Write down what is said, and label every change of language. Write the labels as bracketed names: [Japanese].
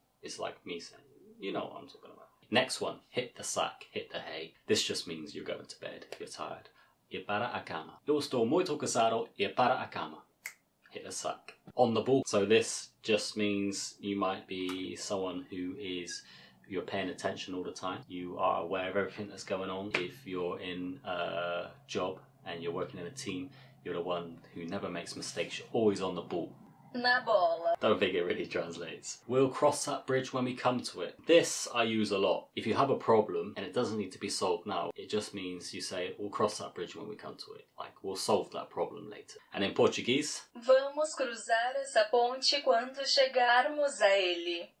[English] It's like me saying, you know what I'm talking about. Next one, hit the sack, hit the hay. This just means you're going to bed if you're tired. [Portuguese] Ir para a cama. Eu estou muito cansado, ir para a cama. [English] Hit the sack. On the ball. So this just means you might be someone who is, you're paying attention all the time. You are aware of everything that's going on. If you're in a job and you're working in a team, you're the one who never makes mistakes. You're always on the ball. [Portuguese] Na bola. [English] Don't think it really translates. We'll cross that bridge when we come to it. This I use a lot. If you have a problem and it doesn't need to be solved now, it just means you say, we'll cross that bridge when we come to it. Like, we'll solve that problem later. And in Portuguese? [Portuguese] Vamos cruzar essa ponte quando chegarmos a ele.